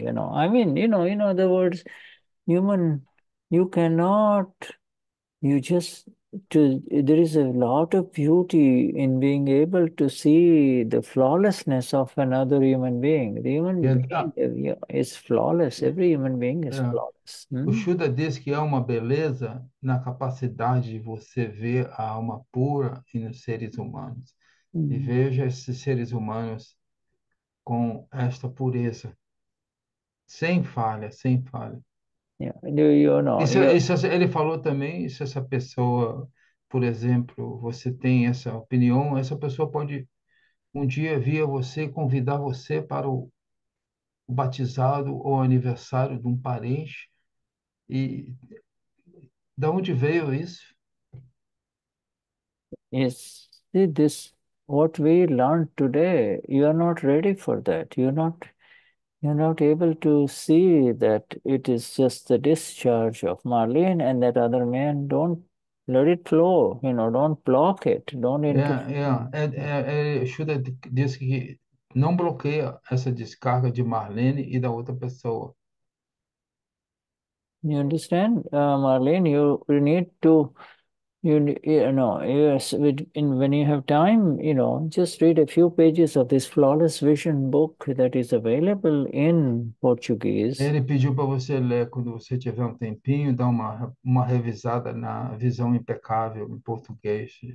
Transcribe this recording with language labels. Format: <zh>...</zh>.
<en>In other words, human, you cannot. You just to there is a lot of beauty in being able to see the flawlessness of another human being. The human And, being is flawless. Every human being is flawless.</en> <pt>o Shuddha diz que há uma beleza na capacidade de você ver a alma pura nos seres humanos. E veja esses seres humanos com esta pureza, sem falha, sem falha.</pt> <en>Do you know?</en> <pt>Ele falou também, se essa pessoa, por exemplo, você tem essa opinião, essa pessoa pode um dia vir a você, convidar você para o batizado ou aniversário de um parente. E da onde veio isso?</pt> <en>Yes, see this, what we learned today, you are not ready for that. You're not able to see that it is just the discharge of Marlene and that other man. Don't let it flow, don't block it, don't interfere.</en> <pt>Shuddha disse que não bloqueia essa descarga de Marlene e da outra pessoa.</pt> <en>You understand, Marlene? You need to. When you have time, just read a few pages of this flawless vision book that is available in Portuguese.</en> <pt>Ele pediu para você ler quando você tiver um tempinho, dar uma revisada na visão impecável em português.</pt>